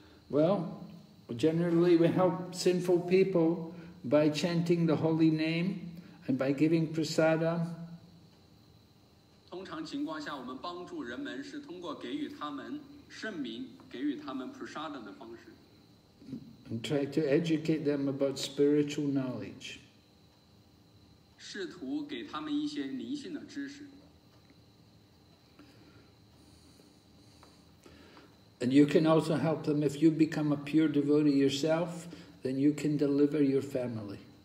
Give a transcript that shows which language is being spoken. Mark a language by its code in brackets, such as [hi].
[en] Well, generally we help sinful people by chanting the holy name and by giving prasada. [zh] 通常情况下, 我们帮助人们是通过给予他们圣名, 给予他们prasada的方式。 [en] And try to educate them about spiritual knowledge. [zh] 试图给他们一些灵性的知识。 [en] And you can also help them if you become a pure devotee yourself, then you can deliver your family.